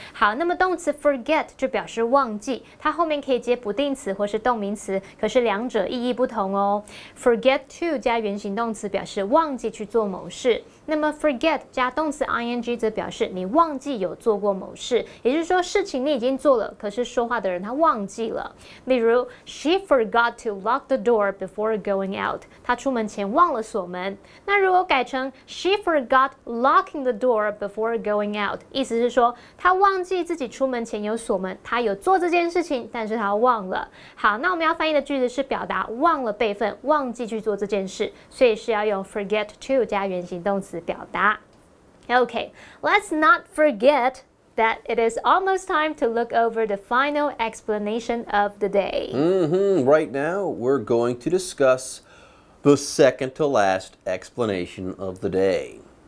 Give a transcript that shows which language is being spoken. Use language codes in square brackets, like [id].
[zh] 好，那么动词 forget 就表示忘记，它后面可以接不定词或是动名词，可是两者意义不同哦。 Forget to 加原形动词表示忘记去做某事。那么 forget 加动词 ing 则表示你忘记有做过某事，也就是说事情你已经做了，可是说话的人他忘记了。例如 [en] ，She forgot to lock the door before going out. [zh] 她出门前忘了锁门。那如果改成 [en] She forgot locking the door before going out， [zh] 意思是说她忘记自己出门前有锁门，她有做这件事情，但是她忘了。好，那我们要翻译的句子是表达忘了备份，忘记去做这件事，所以是要用 forget to 加原形动词。 [en] Okay, let's not forget that it is almost time to look over the final explanation of the day. Right now, we're going to discuss the second to last explanation of the day.